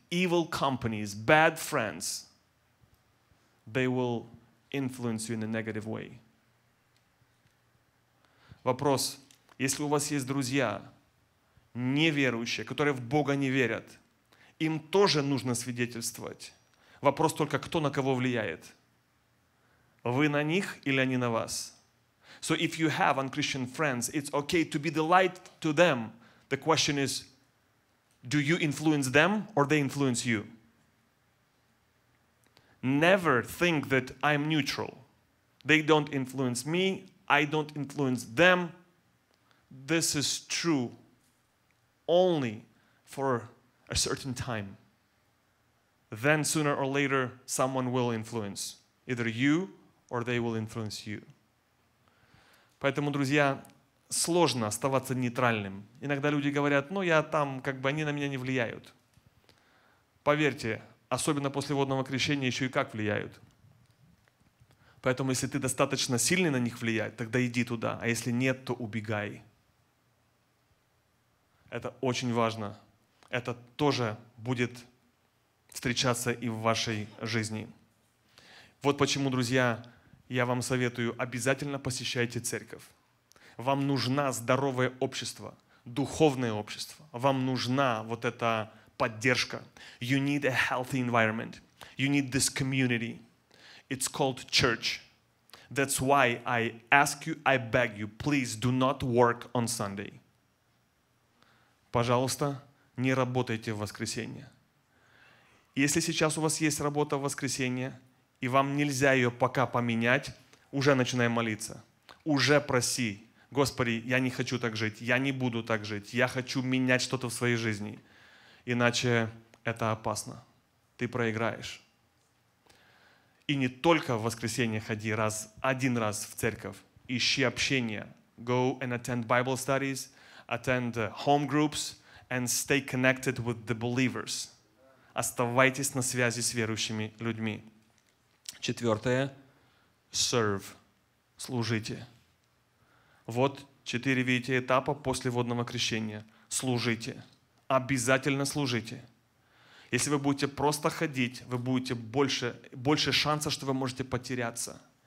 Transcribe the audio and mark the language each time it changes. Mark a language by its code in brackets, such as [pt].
[en] Evil companies, bad friends, they will influence you in a negative way. [ru] Вопрос. Если у вас есть друзья, неверующие, которые в Бога не верят, им тоже нужно свидетельствовать. Вопрос только, кто на кого влияет? Вы на них или они на вас? [en] So if you have unchristian friends, it's okay to be the light to them. The question is, do you influence them or they influence you? Never think that I'm neutral. They don't influence me, I don't influence them. this is true only for a certain time. Then sooner or later, someone will influence either you or they will influence you. [ru] Поэтому, друзья, сложно оставаться нейтральным. Иногда люди говорят, ну я там, как бы они на меня не влияют. Поверьте, особенно после водного крещения, еще и как влияют. Поэтому, если ты достаточно сильный на них влиять, тогда иди туда. А если нет, то убегай. Это очень важно. Это тоже будет встречаться и в вашей жизни. Вот почему, друзья, я вам советую, обязательно посещайте церковь. Вам нужно здоровое общество, духовное общество. Вам нужна вот эта поддержка. [en] You need a healthy environment. You need this community. It's called church. That's why I ask you, I beg you, please do not work on Sunday. [ru] Пожалуйста, не работайте в воскресенье. Если сейчас у вас есть работа в воскресенье, и вам нельзя ее пока поменять, уже начинай молиться. Уже проси. Господи, я не хочу так жить. Я не буду так жить. Я хочу менять что-то в своей жизни. Иначе это опасно. Ты проиграешь. И не только в воскресенье ходи раз, один раз в церковь. Ищи общение. [en] Go and attend Bible studies, attend home groups, and stay connected with the believers. [ru] Оставайтесь на связи с верующими людьми. Четвертое. Serve. Служите. Вот четыре, видите, этапа после водного крещения. Служите. Обязательно служите. Если вы будете просто ходить, вы будете больше шанса, что вы можете потеряться.